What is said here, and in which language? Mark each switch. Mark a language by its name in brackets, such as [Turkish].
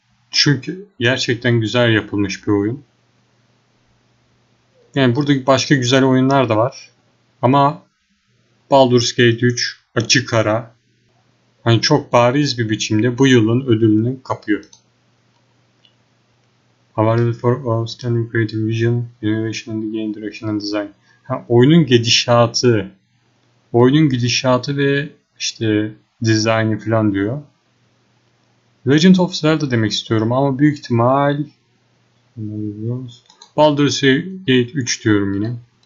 [Turkish] Çünkü gerçekten güzel yapılmış bir oyun. Yani burada başka güzel oyunlar da var. Ama Baldur's Gate 3 açık ara, hani çok bariz bir biçimde bu yılın ödülünü kapıyor. [English] Awarded for Outstanding Creative Vision, Innovation in the Game Direction and Design. [Turkish] Ha, oyunun gidişatı ve işte dizaynı falan diyor. Legend of Zelda demek istiyorum ama büyük ihtimal Baldur's Gate 3 diyorum yine.